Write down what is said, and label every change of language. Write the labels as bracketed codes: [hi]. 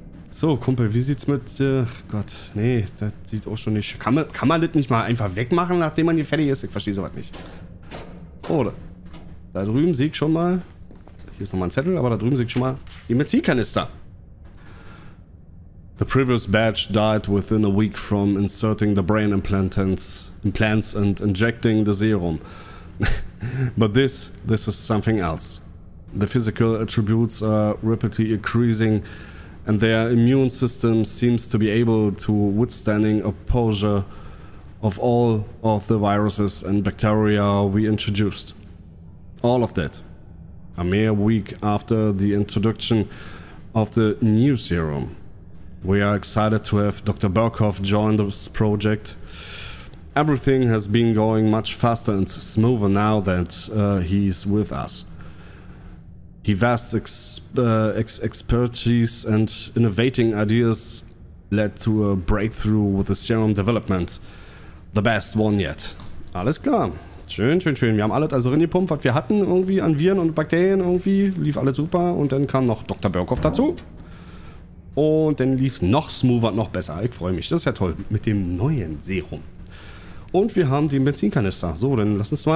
[de] So, Kumpel, wie sieht's mit... Ach Gott, nee, das sieht auch schon nicht... Kann man das nicht mal einfach wegmachen, nachdem man hier fertig ist? Ich verstehe sowas nicht. Oh, da drüben sehe ich schon mal... Hier ist nochmal ein Zettel, aber da drüben sehe ich schon mal die Medizinkanister. [en] The previous batch died within a week from inserting the brain implants and injecting the serum. But this is something else. The physical attributes are rapidly increasing... And their immune system seems to be able to withstanding exposure of all of the viruses and bacteria we introduced. All of that. A mere week after the introduction of the new serum. We are excited to have Dr. Berkoff join this project. Everything has been going much faster and smoother now that he's with us. He vast expertise and innovating ideas led to a breakthrough with the serum development. The best one yet. [de] Alles klar. Schön, schön, schön. Wir haben alles also reingepumpt, was wir hatten irgendwie an Viren und Bakterien irgendwie. Lief alles super. Und dann kam noch Dr. Berkoff dazu. Und dann lief es noch smoother, noch besser. Ich freue mich. Das ist ja toll. Mit dem neuen Serum. Und wir haben den Benzinkanister. So, dann lass uns mal...